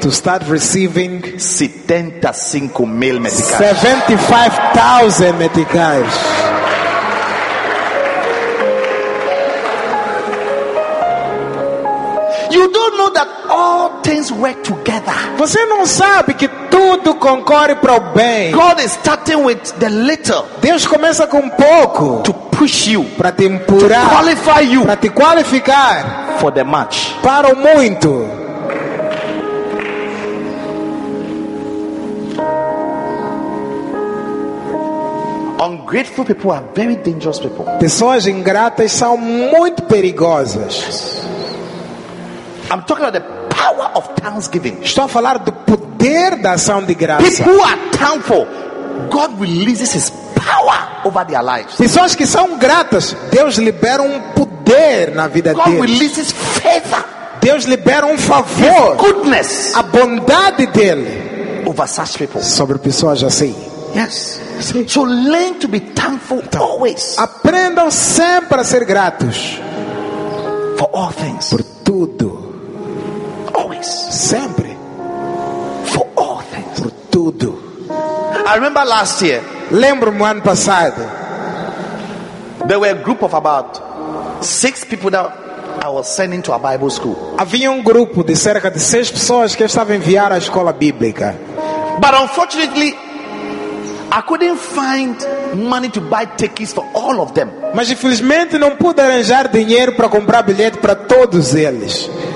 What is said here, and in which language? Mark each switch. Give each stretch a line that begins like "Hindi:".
English: to start receiving 75,000 meticais.
Portuguese: 75,000 meticais.
English: You don't know that all things work together.
Portuguese: Você não sabe que tudo concorre para o bem.
English: God is starting with the little.
Portuguese: Deus começa com pouco.
English: To push you,
Portuguese: para te empurrar.
English: To qualify you,
Portuguese: para te qualificar.
English: For the match,
Portuguese: para o muito.
English: Ungrateful people are very dangerous people.
Portuguese: Pessoas ingratas são muito perigosas.
English: I'm talking about the power of thanksgiving.
Portuguese: Estou a falar do poder da ação de graça.
English: People who are thankful, God releases His power over their lives.
Portuguese: Pessoas que são gratas, Deus libera poder na vida deles.
English: God releases favor.
Portuguese: Deus libera favor.
English: His goodness.
Portuguese: A bondade dele.
English: Over such people.
Portuguese: Sobre pessoas assim.
English: Yes. So learn to be thankful always.
Portuguese: Aprendam sempre a ser gratos.
English: For all things.
Portuguese: Por tudo.
English: Always.
Portuguese: Sempre.
English: For all things.
Portuguese: Por tudo.
English: I remember last year.
Portuguese: Lembro-me ano passado.
English: There were a group of about 6 people that I was sending to a Bible school.
Portuguese: Havia grupo de cerca de 6 pessoas que eu estava a enviar à escola bíblica.
English: But unfortunately, I couldn't find money to buy tickets for all of them.
Portuguese: Mas infelizmente não pude arranjar dinheiro para comprar bilhete para todos eles.